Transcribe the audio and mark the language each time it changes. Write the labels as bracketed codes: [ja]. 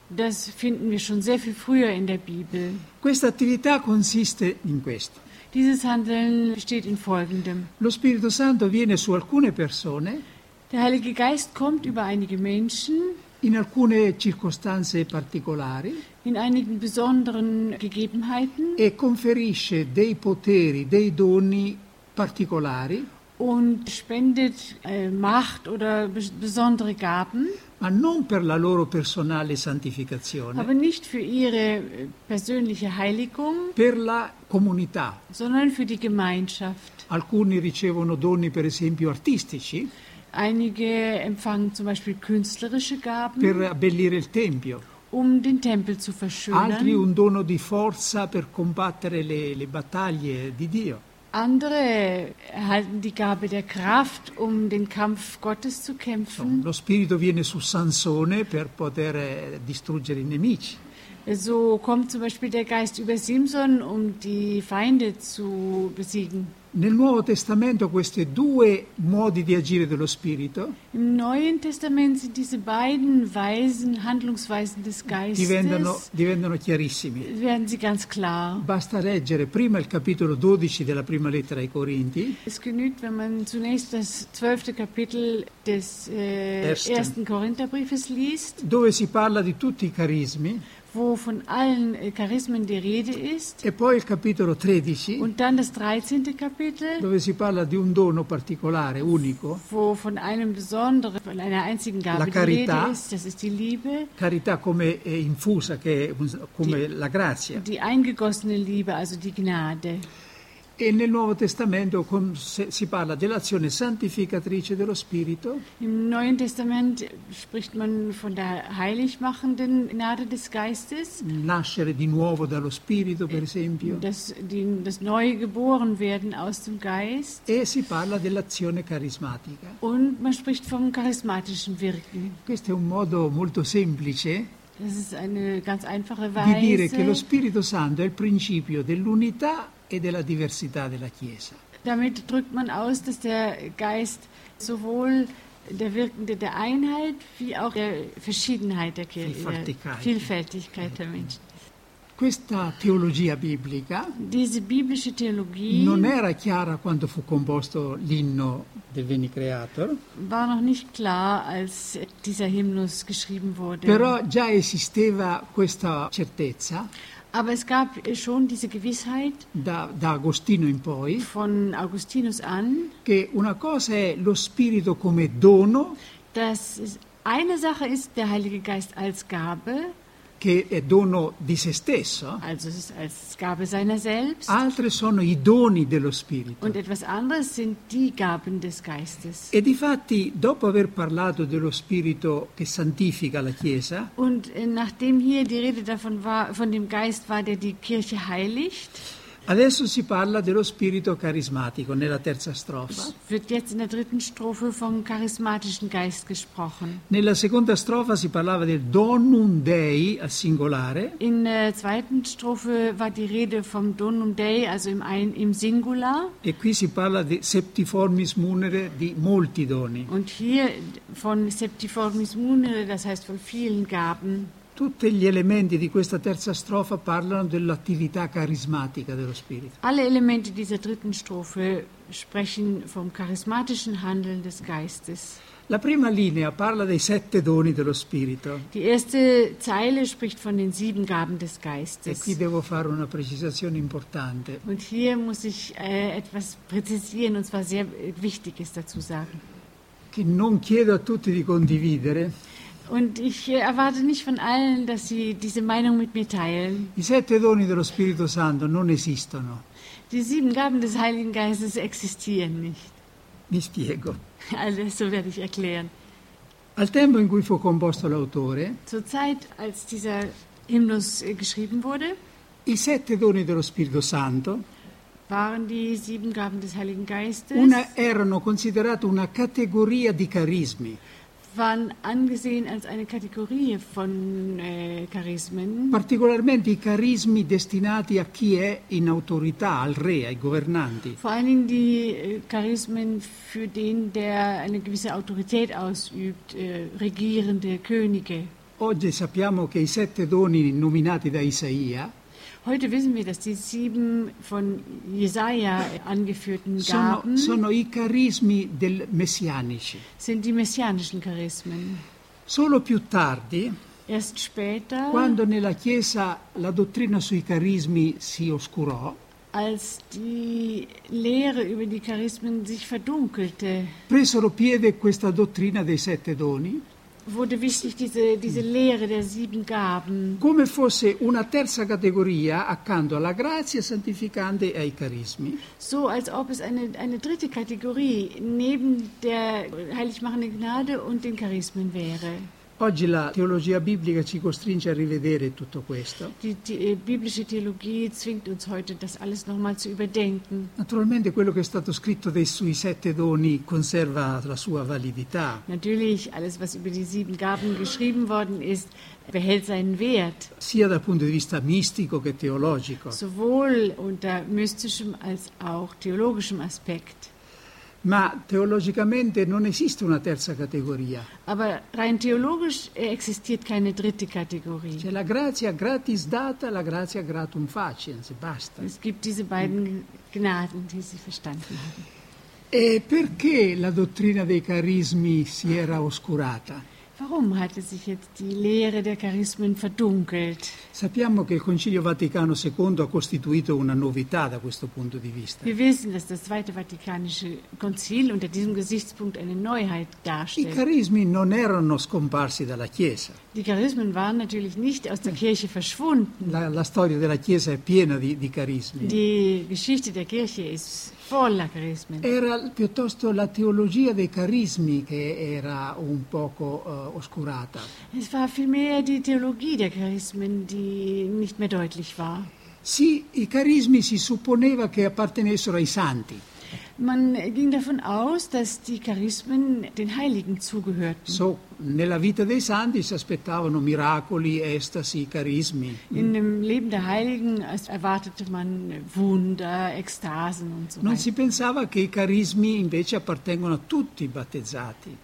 [de] Das finden wir schon sehr viel früher in der Bibel. [it] Questa attività consiste in questo. [de] Dieses Handeln besteht in Folgendem. [it] Lo Spirito Santo viene su alcune persone. [de] Der Heilige Geist kommt über einige Menschen [it] in alcune circostanze particolari [de] in einigen besonderen Gegebenheiten [it] e conferisce dei poteri, dei doni particolari [de] und spendet Macht oder besondere Gaben [it] ma non per la loro personale santificazione [de] aber nicht für ihre persönliche Heiligung [it] per la comunità [de] sondern für die Gemeinschaft [it] alcuni ricevono doni per esempio artistici [de] Einige empfangen zum Beispiel künstlerische Gaben. [it] Per abbellire il tempio. [de] Um den Tempel zu verschönern. [it] Altri un dono di forza per combattere le battaglie di Dio. [de] Andere erhalten die Gabe der Kraft, um den Kampf Gottes zu kämpfen. [it] Lo spirito viene su Sansone per poter distruggere i nemici. [de] So kommt zum Beispiel der Geist über Simson, um die Feinde zu besiegen. [it] Nel Nuovo Testamento questi due modi di agire dello Spirito [de] im Neuen Testament sind diese beiden Weisen, Handlungsweisen des Geistes, [it] diventano chiarissimi. [de] Werden sie ganz klar. [it] Basta leggere prima il capitolo 12 della prima lettera ai Corinti. [de] Es genügt, wenn man zunächst das 12. Kapitel des ersten Korintherbriefes liest, [it] dove si parla di tutti i carismi. [de] Wo von allen Charismen die Rede ist. [it] E poi il capitolo 13. [de] Und dann das 13. Kapitel. [it] Dove si parla di un dono particolare, unico. [de] Wo von einem besonderen, von einer einzigen Gabe [it] la carità, [de] die Rede ist. Das ist die Liebe. [it] Carità come è infusa, che è come la grazia. [de] Die eingegossene Liebe, also die Gnade. [it] E nel Nuovo Testamento si parla dell'azione santificatrice dello Spirito. [de] Im Neuen Testament spricht man von der heiligmachenden Gnade des Geistes. [it] Nascere di nuovo dallo Spirito, per esempio. [de] Das neu geboren werden aus dem Geist. [it] E si parla dell'azione carismatica. [de] Und man spricht vom charismatischen Wirken. [it] Questo è un modo molto semplice. [de] Das ist eine ganz einfache Weise. [it] Di dire che lo Spirito Santo è il principio dell'unità e della diversità della Chiesa. [de] Damit drückt man aus, dass der Geist sowohl der Wirkende der Einheit wie auch der Verschiedenheit der Kirche, Vielfältigkeit der Menschen. [it] Questa teologia biblica, [de] diese biblische Theologie, [it] non era chiara quando fu composto l'inno del Veni Creator. [de] War noch nicht klar, als dieser Hymnus geschrieben wurde. [it] Però già esisteva questa certezza. [de] Aber es gab schon diese Gewissheit [it] da Agostino in poi, [de] von Augustinus an, [it] che una cosa è lo spirito come dono, [de] dass eine Sache ist der Heilige Geist als Gabe, [it] che è dono di se stesso, [de] also als Gabe seiner selbst, [it] altre sono i doni dello spirito, [de] und etwas anderes sind die Gaben des Geistes. [it] E difatti, dopo aver parlato dello spirito che santifica la Chiesa, [de] und nachdem hier die Rede davon war, von dem Geist war, der die Kirche heiligt, [it] adesso si parla dello spirito carismatico nella terza strofa. [de] Wird jetzt in der dritten Strophe vom charismatischen Geist gesprochen. [it] Nella seconda strofa si parlava del Donum Dei al singolare. [de] In der zweiten Strophe war die Rede vom Donum Dei, also im Singular. [it] E qui si parla di Septiformis Munere, di molti doni. [de] Und hier von Septiformis Munere, das heißt von vielen Gaben. [it] Tutti gli elementi di questa terza strofa parlano dell'attività carismatica dello Spirito. [de] Alle elementi dieser dritten Strophe sprechen vom charismatischen Handeln des Geistes. [it] La prima linea parla dei sette doni dello Spirito. [de] Die erste Zeile spricht von den sieben Gaben des Geistes. [it] E qui devo fare una precisazione importante. [de] Und hier muss ich etwas präzisieren, und zwar sehr Wichtiges dazu sagen. [it] Che non chiedo a tutti di condividere. [de] Und ich erwarte nicht von allen, dass sie diese Meinung mit mir teilen. [it] I sette doni dello Spirito Santo non esistono. [de] Die sieben Gaben des Heiligen Geistes existieren nicht. [it] Mi spiego. Adesso [de] werde ich erklären. [it] Al tempo in cui fu composto l'autore, [de] zur Zeit, als dieser Hymnus geschrieben wurde, [it] i sette doni dello Spirito Santo [de] waren die sieben Gaben des Heiligen Geistes [it] erano considerate una categoria di carismi. [de] Waren angesehen als eine Kategorie von Charismen. [it] Particolarmente i carismi destinati a chi è in autorità, al re, ai governanti. [de] Vor allen Dingen die Charismen für den, der eine gewisse Autorität ausübt, regierende Könige. [it] Oggi sappiamo che i sette doni nominati da Isaia. [de] Heute wissen wir, dass die sieben von Jesaja angeführten Gaben [it] sono i carismi del messianici. [de] Sind die messianischen Charismen. [it] Solo più tardi, [de] erst später, [it] quando nella Chiesa la dottrina sui carismi si oscurò, [de] als die Lehre über die Charismen sich verdunkelte, [it] presero piede questa dottrina dei sette doni, [de] wurde wichtig diese Lehre der sieben Gaben. [it] Come fosse una terza categoria accanto alla grazia santificante e ai carismi. [de] So als ob es eine dritte Kategorie neben der heiligmachenden Gnade und den Charismen wäre. [it] Oggi la teologia biblica ci costringe a rivedere tutto questo. [de] Die biblische Theologie zwingt uns heute, das alles nochmal zu überdenken. [it] Naturalmente quello che è stato scritto dei sui sette doni conserva la sua validità. [de] Natürlich, alles was über die sieben Gaben geschrieben worden ist, behält seinen Wert. [it] Sia dal punto di vista mistico che teologico. [de] Sowohl unter mystischem als auch theologischem Aspekt. [it] Ma teologicamente non esiste una terza categoria. [de] Aber rein theologisch existiert keine dritte Kategorie. [it] C'è la grazia gratis data, la grazia gratum facens, basta. [de] Es gibt diese beiden Gnaden, die Sie verstanden haben. [it] E perché la dottrina dei carismi si era oscurata? [de] Warum hatte sich jetzt die Lehre der Charismen verdunkelt? [it] Sappiamo che il Concilio Vaticano II ha costituito una novità da questo punto di vista. [de] Wir wissen, dass das Zweite Vatikanische Konzil unter diesem Gesichtspunkt eine Neuheit darstellt. [it] I carismi non erano scomparsi dalla Chiesa. [de] Die Charismen waren natürlich nicht aus der Kirche verschwunden. [it] La storia della Chiesa è piena di carismi. [de] Die Geschichte der Kirche ist voller Charismen. [it] Era piuttosto la teologia dei carismi che era un poco oscurata. [de] Es war vielmehr die Theologie der Charismen, die nicht mehr deutlich war. [it] Sì, i carismi si supponeva che appartenessero ai santi. [de] Man ging davon aus, dass die Charismen den Heiligen zugehörten. [it] So, nella vita dei santi si aspettavano miracoli, estasi, carismi. [de] In dem Leben der Heiligen erwartete man Wunder, Ekstasen und so weiter. [it] Non si pensava che i carismi invece appartengono a tutti i battezzati.